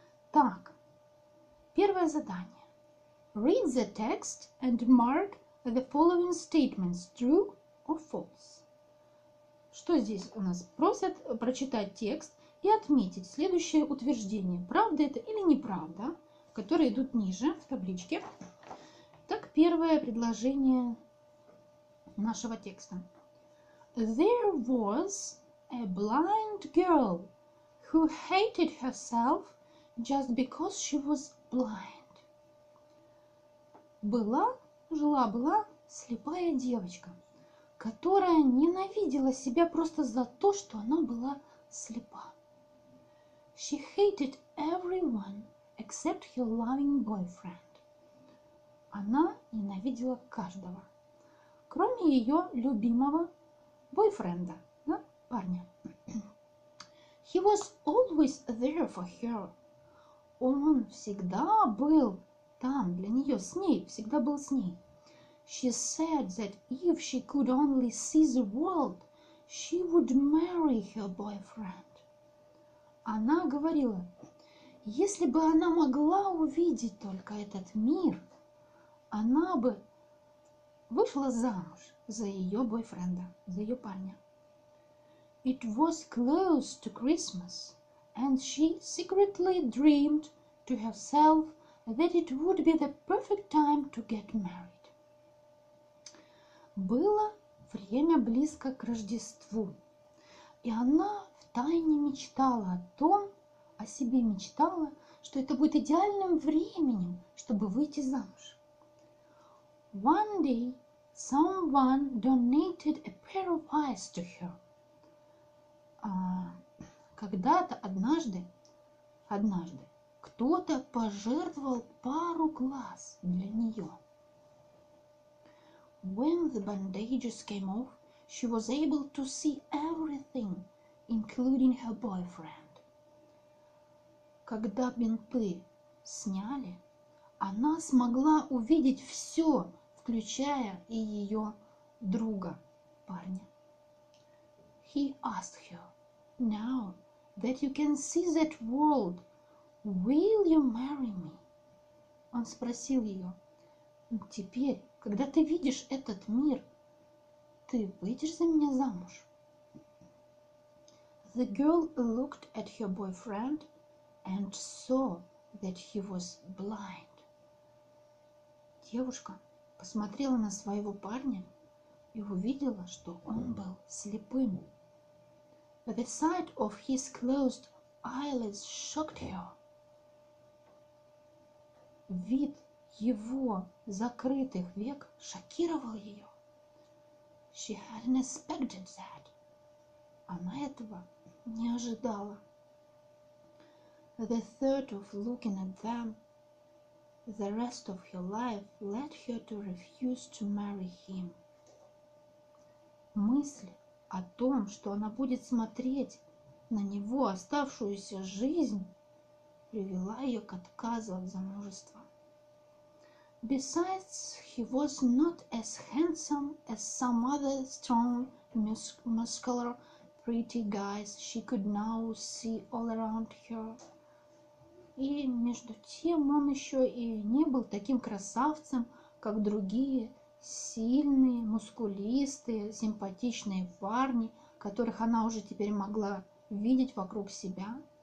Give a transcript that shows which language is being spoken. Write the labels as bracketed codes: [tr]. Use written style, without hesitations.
[ru] Так, первое задание. [en] Read the text and mark the following statements, true or false. [ru] Что здесь у нас просят? Прочитать текст и отметить следующее утверждение. Правда это или неправда? Которые идут ниже в табличке. Так, первое предложение нашего текста. [en] There was a blind girl who hated herself just because she was blind. [ru] Была, жила-была слепая девочка, которая ненавидела себя просто за то, что она была слепа. [en] She hated everyone except her loving boyfriend. [ru] Она ненавидела каждого, кроме ее любимого бойфренда, да, парня. [en] He was always there for her. [ru] Он всегда был там для нее, с ней, всегда был с ней. [en] She said that if she could only see the world, she would marry her boyfriend. [ru] Она говорила, если бы она могла увидеть только этот мир, она бы вышла замуж за ее бойфренда, за ее парня. [en] It was close to Christmas, and she secretly dreamed to herself that it would be the perfect time to get married. [ru] Было время близко к Рождеству, и она втайне мечтала о том, о себе мечтала, что это будет идеальным временем, чтобы выйти замуж. [en] One day someone donated a pair of eyes to her. [ru] Когда-то, однажды, кто-то пожертвовал пару глаз для нее. [en] When the bandages came off, she was able to see everything, including her boyfriend. [ru] Когда бинты сняли, она смогла увидеть все, включая и ее друга, парня. [en] He asked her, "Now that you can see that world, will you marry me?" [ru] Он спросил ее: "Теперь, когда ты видишь этот мир, ты выйдешь за меня замуж?" [en] The girl looked at her boyfriend and saw that he was blind. [ru] Девушка посмотрела на своего парня и увидела, что он был слепым. [en] The sight of his closed eyelids shocked her. [ru] Вид его закрытых век шокировал ее. [en] She hadn't expected that. [ru] Она этого не ожидала. [en] The thought of looking at them the rest of her life led her to refuse to marry him. [ru] Мысль о том, что она будет смотреть на него оставшуюся жизнь, привела ее к отказу от замужества. [en] Besides, he was not as handsome as some other strong, muscular, pretty guys she could now see all around her. [ru] И между тем он еще и не был таким красавцем, как другие сильные, мускулистые, симпатичные парни, которых она уже теперь могла видеть вокруг себя.